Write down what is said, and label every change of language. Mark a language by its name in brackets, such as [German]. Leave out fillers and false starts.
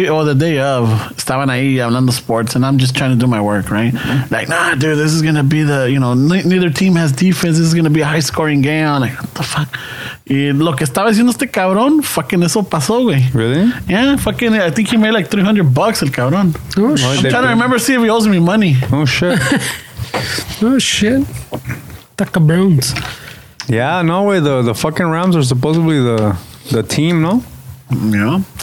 [English] The day of, estaban ahí hablando sports, and I'm just trying to do my work, right? Mm-hmm. Like, nah, dude, this is gonna be the, you know, neither team has defense. This is gonna be a high scoring game. I'm like, what the fuck? [Spanish] Y lo que estaba haciendo este cabrón, fucking eso pasó, güey. [English] Really? Yeah, fucking, I think he made like $300, el cabrón. Oh, shit. I'm trying to remember, see if he owes me money. Oh, shit. Oh, shit. The Browns. Yeah, no way. The fucking Rams are supposedly the team, no? Yeah.